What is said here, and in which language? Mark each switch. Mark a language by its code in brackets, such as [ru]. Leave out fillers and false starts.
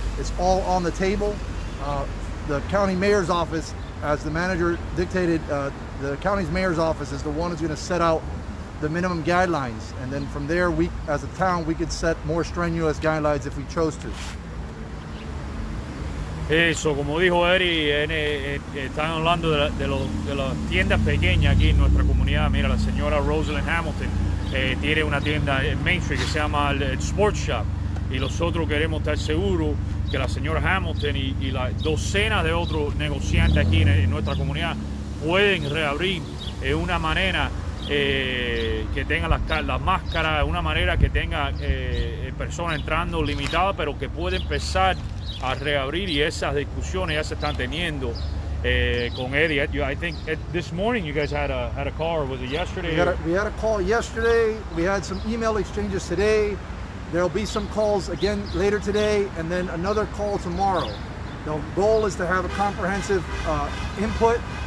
[en] It's all on the table. The county mayor's office, as the manager dictated, the county's mayor's office is the one who's going to set out the minimum guidelines. And then from there, we, as a town, we could set more strenuous guidelines if we chose to. [es] Eso, como dijo Eddie, están hablando de la tienda pequeña aquí en nuestra comunidad. Mira, la señora Rosalind Hamilton tiene una tienda en Main Street que se llama el Sports Shop. Y nosotros queremos estar seguros que la señora Hamilton y la docena de otros negociantes aquí en nuestra comunidad pueden reabrir de una manera que tenga las máscaras, una manera que tenga personas entrando limitadas, pero que puede empezar a reabrir, y esas discusiones ya se están teniendo con Eddie. [en] I think this morning you guys had a call, or was it yesterday? We had a call yesterday. We had some email exchanges today. There'll be some calls again later today, and then another call tomorrow. The goal is to have a comprehensive input